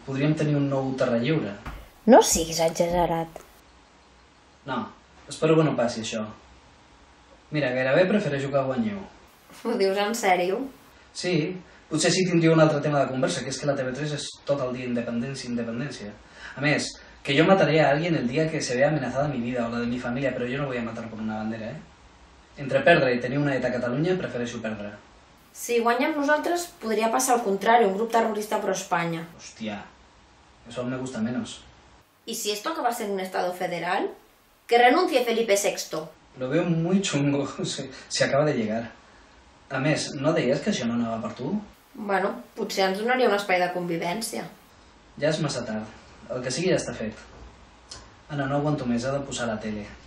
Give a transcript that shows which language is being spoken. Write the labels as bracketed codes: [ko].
[ca] Podríem tenir un nou terra lliure. No siguis exagerat. No, espero que no passi això. Mira, gairebé prefereixo que guanyeu. Ho dius en sèrio? Sí, potser sí tindria un altre tema de conversa, que és que la TV3 és tot el dia independència, independència. A més, [es] que yo mataré a alguien el día que se vea amenazada mi vida o la de mi familia, pero yo no voy a matar por una bandera, ¿eh? [ca] Entre perdre [es] y tener una ETA a Cataluña, [ca] prefereixo perdre. Si guanyem nosaltres, podria passar al contrari, un grup terrorista pro Espanya. [es] Hòstia, eso me gusta menos. ¿Y si esto acaba siendo un estado federal? ¡Que renuncie Felipe VI! Lo veo muy chungo, se acaba de llegar. [ca] A més, ¿no deies que això no anava per tu? Bueno, potser ens donaria un espai de convivència. Ja és massa tard. El que sigui ja està fet. Anna, no aguanto més, ha de posar la tele.